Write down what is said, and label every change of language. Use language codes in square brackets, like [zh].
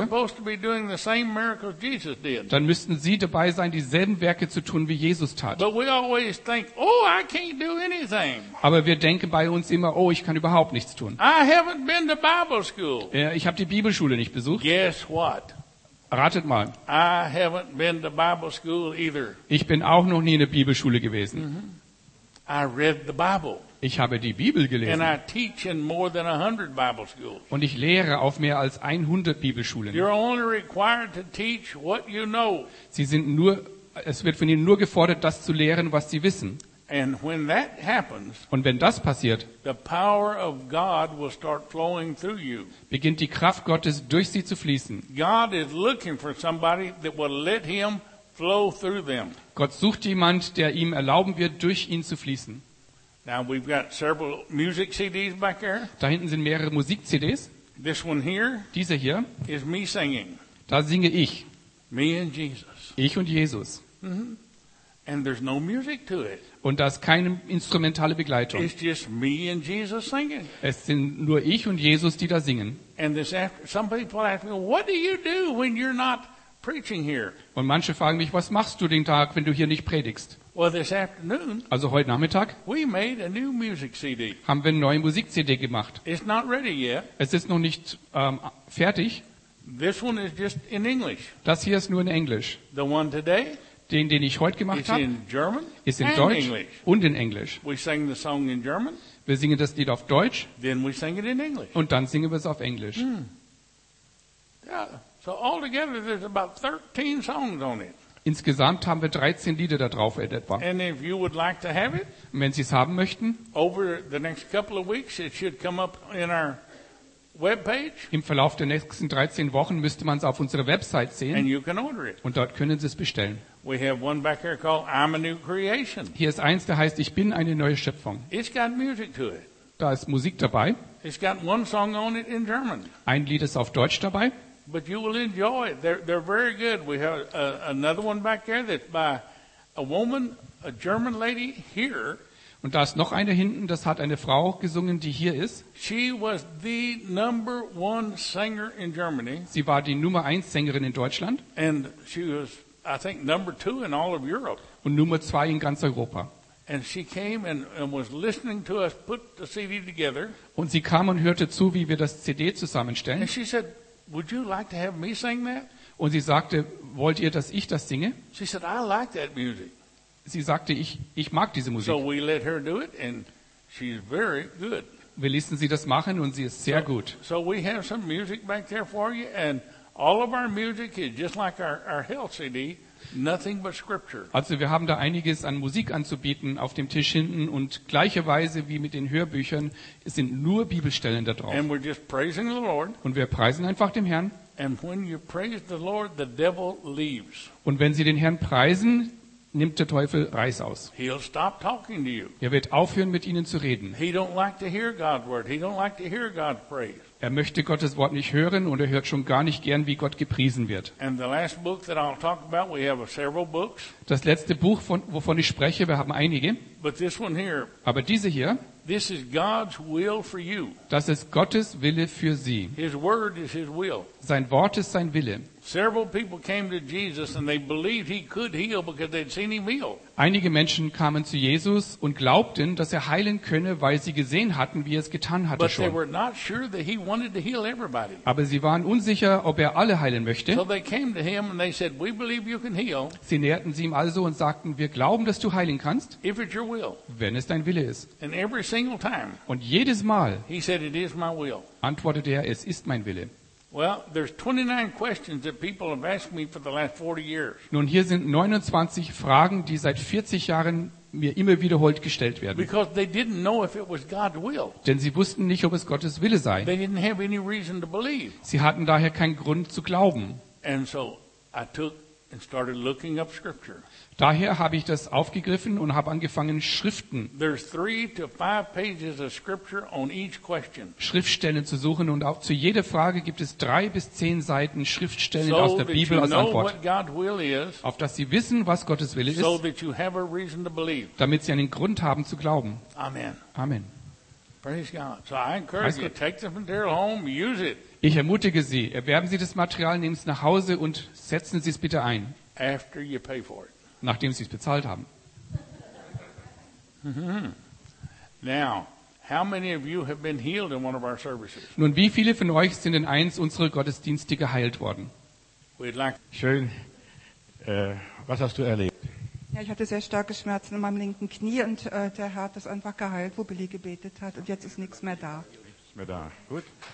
[en] supposed to be doing the same miracles Jesus did. [de] Dann müssten Sie dabei sein, dieselben Werke zu tun, wie Jesus tat. [en] But we always think, oh, I can't do anything. [de] Aber wir denken bei uns immer, oh, ich kann überhaupt nichts tun. [en] I haven't been to Bible school. [de] Ich habe die Bibelschule nicht besucht. [en] Guess what? [de] Ratet mal. [en] I haven't been to Bible school either. [de] Ich bin auch noch nie in der Bibelschule gewesen. [en] Mm-hmm. I read the Bible. [de] Ich habe die Bibel gelesen. [en] And I teach in more than 100 Bible schools. [de] Und ich lehre auf mehr als 100 Bibelschulen. [en] You're only required to teach what you know. [de] Sie sind nur, es wird von Ihnen nur gefordert, das zu lehren, was Sie wissen. [en] And when that happens, [de] und wenn das passiert, [en] the power of God will start flowing through you. [de] Beginnt die Kraft Gottes durch Sie zu fließen. [en] God is looking for somebody that will let him flow through them. [de] Gott sucht jemand, der ihm erlauben wird, durch ihn zu fließen. [en] Now we've got several music CDs back there. [de] Da hinten sind mehrere Musik-CDs. [en] This one here, [de] diese hier, [en] is me singing. [de] Da singe ich. [en] Me and Jesus. [de] Ich und Jesus. Mm-hmm. [en] And there's no music to it. [de] Und da ist keine instrumentale Begleitung. [en] It's just me and Jesus singing. [de] Es sind nur ich und Jesus, die da singen. [en] And this after, some people ask me, what do you do when you're not preaching here? [de] Und manche fragen mich, was machst du den Tag, wenn du hier nicht predigst? [en] Well, this afternoon, [de] also heute Nachmittag, [en] we made a new music CD. [de] Haben wir eine neue Musik-CD gemacht. [en] It's not ready yet. [de] Es ist noch nicht fertig. [en] This one is just in English. [de] Das hier ist nur in Englisch. [en] The one today, [de] den ich heute gemacht habe, [en] in German [de] ist in Deutsch [en] English. [de] Und in Englisch. [en] We sang the song in German, [de] wir singen das Lied auf Deutsch, [en] then we sang it in English. [de] Und dann singen wir es auf Englisch. Ja. Yeah. [en] So all together there's about 13 songs on it. [de] Insgesamt haben wir 13 Lieder da drauf etwa. [en] And if you would like to have it, [de] und wenn Sie es haben möchten, [en] over the next couple of weeks it should come up in our webpage. [de] Im Verlauf der nächsten 13 Wochen müsste man es auf unserer Website sehen. [en] And you can order it. [de] Und dort können Sie es bestellen. [en] We have one back here called I'm a New Creation. [de] Hier ist eins, der heißt Ich bin eine neue Schöpfung. [en] It's got music to it. [de] Da ist Musik dabei. [en] It's got one song on it in German. [de] Ein Lied ist auf Deutsch dabei. [en] But you will enjoy it. They're very good. We have another one back there that by a woman, a German lady here. [de] Und da ist noch eine hinten, das hat eine Frau gesungen, die hier ist. [en] She was the number one singer in Germany. [de] Sie war die Nummer 1 Sängerin in Deutschland. [en] And she was, I think, number 2 in all of Europe. [de] Und Nummer 2 in ganz Europa. [en] And she came and was listening to us put the CD together. [de] Und sie kam und hörte zu, wie wir das CD zusammenstellen. [en] And she said, would you like to have me sing that? [de] Und sie sagte, wollt ihr, dass ich das singe? [en] She said, I like that music. [de] Sie sagte, ich mag diese Musik. [en] So we let her do it and she's very good. [de] Wir ließen sie das machen und sie ist sehr gut. [en] So we have some music back there for you and all of our music is just like our health CD, nothing but scripture. [de] Also wir haben da einiges an Musik anzubieten auf dem Tisch hinten und gleicherweise wie mit den Hörbüchern, es sind nur Bibelstellen da drauf. [en] And we're just praising the Lord. [de] Und wir preisen einfach dem Herrn. [en] And when you praise the Lord, the devil leaves. [de] Und wenn Sie den Herrn preisen, nimmt der Teufel Reis aus. [en] He'll stop talking to you. [de] Er wird aufhören, mit Ihnen zu reden. [en] He don't like to hear God's word. He don't like to hear God's praise. [de] Er möchte Gottes Wort nicht hören und er hört schon gar nicht gern, wie Gott gepriesen wird. [en] And the last book that I'll talk about, we have several books. [de] Das letzte Buch, wovon ich spreche, wir haben einige. [en] But this one here, [de] aber diese hier, [en] this is God's will for you. [de] Das ist Gottes Wille für Sie. [en] His word is his will. [de] Sein Wort ist sein Wille. [en] Several people came to Jesus and they believed he could heal because they'd seen him heal. [de] Einige Menschen kamen zu Jesus und glaubten, dass er heilen könne, weil sie gesehen hatten, wie er es getan hatte schon. [en] But they were not sure that he wanted to heal everybody. [de] Aber sie waren unsicher, ob er alle heilen möchte. [en] So they came to him and they said, "We believe you can heal." [de] Sie näherten sie ihm also und sagten, wir glauben, dass du heilen kannst. [en] If it's your will. [de] Wenn es dein Wille ist. [en] And every single time. [de] Und jedes Mal. [en] He said, "It is my will." [de] Antwortete er, es ist mein Wille. [en] Well, there's 29 questions that people have asked me for the last 40 years. [de] Nun, hier sind 29 Fragen, die seit 40 Jahren mir immer wiederholt gestellt werden. [en] Because they didn't know if it was God's will. [de] Denn sie wussten nicht, ob es Gottes Wille sei. [en] They didn't have any reason to believe. [de] Sie hatten daher keinen Grund zu glauben. [en] And so I took and started looking up scripture. [de] Daher habe ich das aufgegriffen und habe angefangen, Schriften, [en] there's 3 to 5 pages of scripture on each question. [de] Schriftstellen zu suchen, und auch zu jeder Frage gibt es 3 bis 10 Seiten Schriftstellen aus der Bibel als Antwort, auf dass sie wissen, was Gottes Wille ist, [en] so that you have a reason to believe. [de] Damit sie einen Grund haben zu glauben. [en] Amen. [de] Amen. [en] Praise God. So I encourage you, take the material home, use it. [de] Ich ermutige Sie, erwerben Sie das Material, nehmen Sie es nach Hause und setzen Sie es bitte ein. [en] After you pay for it. [de] Nachdem Sie es bezahlt haben. [en] Now, how many of you have been healed in one of our services? [de] Nun, wie viele von euch sind in eins unserer Gottesdienste geheilt worden? Schön. Was hast du erlebt? Ja, ich hatte sehr starke Schmerzen in meinem linken Knie und der Herr hat das einfach geheilt, wo Billy gebetet hat, und jetzt ist nichts mehr da. Nichts mehr da. Gut.